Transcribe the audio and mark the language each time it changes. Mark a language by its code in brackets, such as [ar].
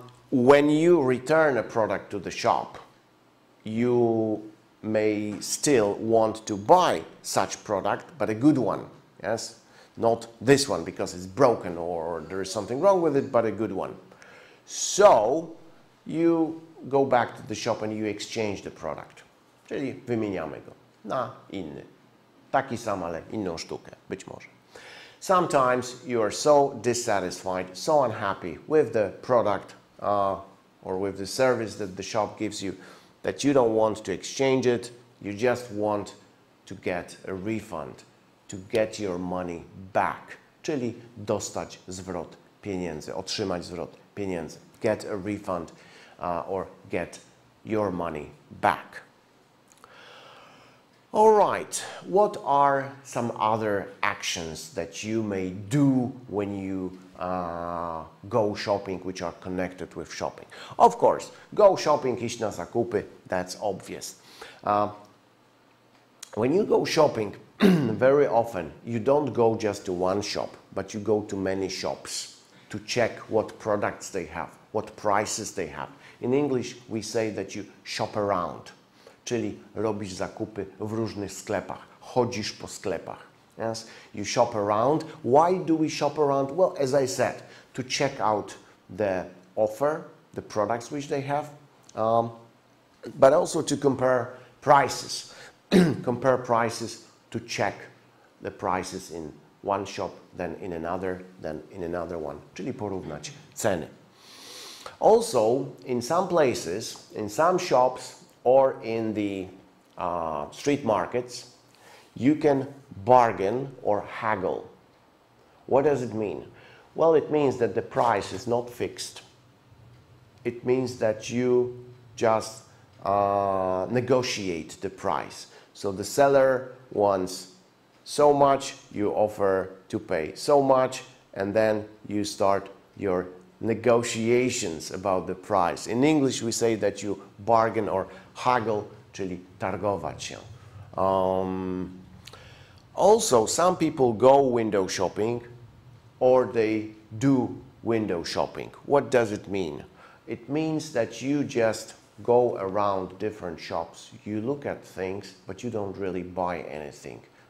[en] When you return a product to the shop, you may still want to buy such product, but a good one, yes? Not this one because it's broken or there is something wrong with it, but a good one. So you go back to the shop and you exchange the product. [pl] Czyli wymieniamy go na inny. Taki sam, ale inną sztukę, być może. [en] Sometimes you are so dissatisfied, so unhappy with the product or with the service that the shop gives you that you don't want to exchange it. You just want to get a refund, to get your money back. [pl] Czyli dostać zwrot pieniędzy, otrzymać zwrot pieniędzy. [en] Get a refund or get your money back. All right, what are some other actions that you may do when you go shopping, which are connected with shopping? Of course, go shopping, [pl] iść na zakupy, [en] that's obvious. When you go shopping, very often you don't go just to one shop, but you go to many shops to check what products they have, what prices they have. In English, we say that you shop around. [pl] Czyli robisz zakupy w różnych sklepach. Chodzisz po sklepach. [en] Yes? You shop around. Why do we shop around? Well, as I said, to check out the offer, the products which they have, but also to compare prices. Compare prices to check the prices in one shop, then in another one. [pl] Czyli porównać ceny. [en] Also, in some places, in some shops, or in the street markets, you can bargain or haggle. What does it mean? Well, it means that the price is not fixed. It means that you just negotiate the price. So the seller wants so much, you offer to pay so much, and then you start your negotiations about the price. In English, we say that you bargain or haggle, [pl] czyli targować się. [en] Also, some people go window shopping or they do window shopping. What does it mean? It means that you just go around different shops, you look at things, but you don't really buy anything.